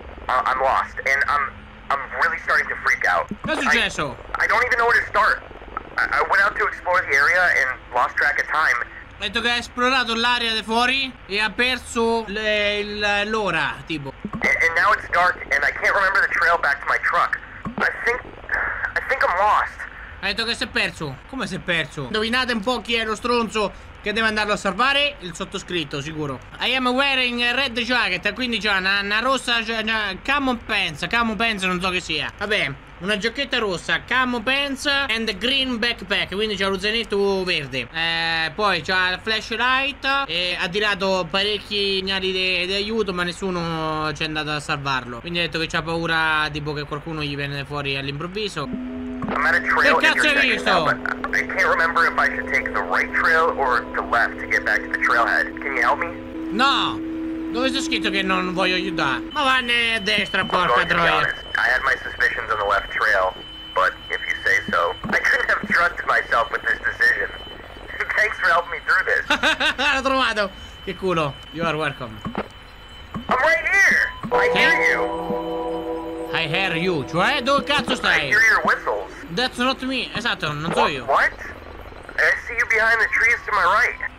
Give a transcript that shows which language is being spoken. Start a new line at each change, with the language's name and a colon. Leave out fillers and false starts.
English: I'm lost and I'm really starting to freak out.
Italian: Che è successo?
English: I don't even know where to start. I went out to explore the area and lost track of time.
Italian: Ha detto che ha esplorato l'area di fuori e ha perso l'ora, tipo.
English: And now it's dark and I can't remember the trail back to my truck. I think I'm lost.
Italian: Ha detto che si è perso. Come si è perso? Indovinate un po' chi è lo stronzo che deve andarlo a salvare? Il sottoscritto, sicuro.
English: I am wearing a red jacket,
Italian: quindi c'ha una rossa.
English: Camo pants,
Italian: non so che sia. Vabbè, una giacchetta rossa,
English: camo pants and green backpack,
Italian: quindi c'ha lo zainetto verde. Poi c'ha il flashlight e ha tirato parecchi segnali di aiuto, ma nessuno c'è andato a salvarlo. Quindi ha detto che c'ha paura, tipo che qualcuno gli viene fuori all'improvviso.
English: I'm at a trail in your section now, but I can't remember if I should take the right trail or the left to get back to the trailhead. Can you help me? No!
Italian: Dove c'è scritto che non voglio aiutare? Ma vanne a destra, porca troia!
English: I had my suspicions on the left trail, but if you say so, I couldn't have trusted myself with this decision. Thanks for helping me through this.
Italian: L'ho trovato! Che culo!
English: You are welcome. I'm right here! I hear you! I hear you,
Italian: cioè dove cazzo stai?
English: I hear your whistles. That's not me,
Italian: esatto, non so io.
English: What? I see you behind the trees to my right.